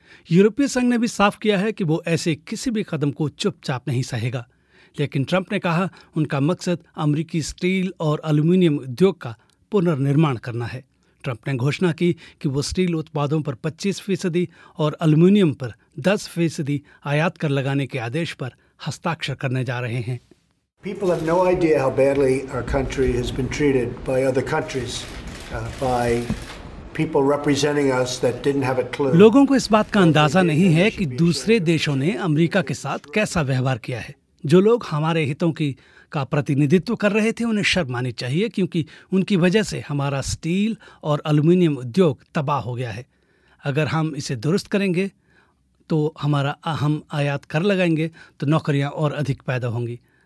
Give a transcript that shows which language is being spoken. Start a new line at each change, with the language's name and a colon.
Hindi: यूरोपीय संघ ने भी साफ किया है कि वो ऐसे किसी भी कदम को चुपचाप नहीं सहेगा, लेकिन ट्रंप ने कहा उनका मकसद अमरीकी स्टील और अल्यूमिनियम उद्योग का पुनर्निर्माण करना है। ट्रंप ने घोषणा की कि वो स्टील उत्पादों पर 25% और अल्यूमिनियम पर 10% आयात कर लगाने के आदेश पर हस्ताक्षर करने जा रहे हैं।
English: People have no idea how badly our country has been treated by other countries, by people representing us that didn't have a clue.
Hindi: लोगों को इस बात का अंदाजा नहीं है कि दूसरे देशों ने अमरीका के साथ कैसा व्यवहार किया है। जो लोग हमारे हितों की का प्रतिनिधित्व कर रहे थे उन्हें शर्म आनी चाहिए, क्योंकि उनकी वजह से हमारा स्टील और अल्यूमिनियम उद्योग तबाह हो गया है। अगर हम इसे दुरुस्त करेंगे तो हम आयात कर लगाएंगे तो नौकरियां और अधिक पैदा होंगी।